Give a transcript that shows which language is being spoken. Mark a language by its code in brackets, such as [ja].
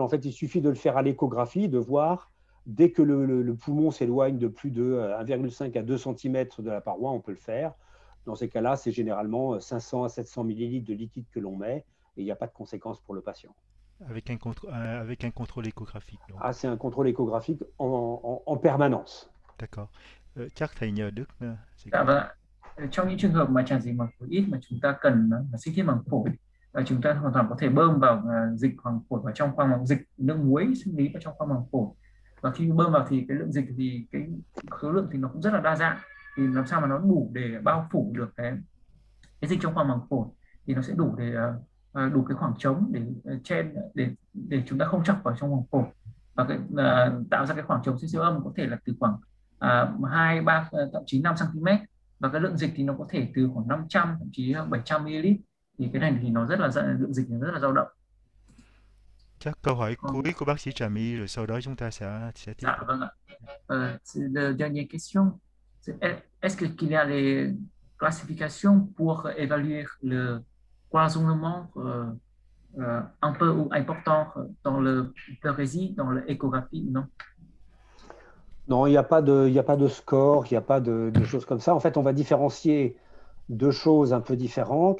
[fr] En fait, il suffit de le faire à l'échographie, de voir. Dès que le poumon s'éloigne de plus de 1,5 à 2 cm de la paroi, on peut le faire. Dans ces cas-là, c'est généralement 500 à 700 ml de liquide que l'on met et il n'y a pas de conséquence pour le patient. Avec un contrôle échographique, donc. Ah, c'est un contrôle échographique en permanence. [vi] D'accord. Chắc thầy nhờ Đức sẽ Dạ có thêm. vâng ạ. Trong những trường hợp mà tràn dịch màng phổi ít mà chúng ta cần sinh thiết màng phổi, chúng ta hoàn toàn có thể bơm vào dịch màng phổi vào trong khoang màng dịch nước muối sinh lý vào trong khoang màng phổi. Và khi bơm vào thì cái lượng dịch thì cái số lượng thì nó cũng rất là đa dạng, thì làm sao mà nó đủ để bao phủ được cái dịch trong khoang màng phổi thì nó sẽ đủ để đủ cái khoảng trống để chen để chúng ta không chọc vào trong màng phổi và tạo ra cái khoảng trống siêu âm có thể là từ khoảng 2, 3, thậm chí 5 cm, và cái lượng dịch thì nó có thể từ khoảng 500 thậm chí 700 ml, thì cái này thì nó rất là lượng dịch nó rất là dao động. Chắc câu hỏi Còn... cuối của bác sĩ Trà My rồi sau đó chúng ta sẽ tiếp Dạ tục. vâng ạ. [fr] Dernière question. Est-ce qu'il y a les classifications pour évaluer le cloisonnement un peu ou important dans le pleurésie, dans l'échographie, non? Non, il n'y a pas de score, il n'y a pas de choses comme ça. En fait, on va différencier deux choses un peu différentes.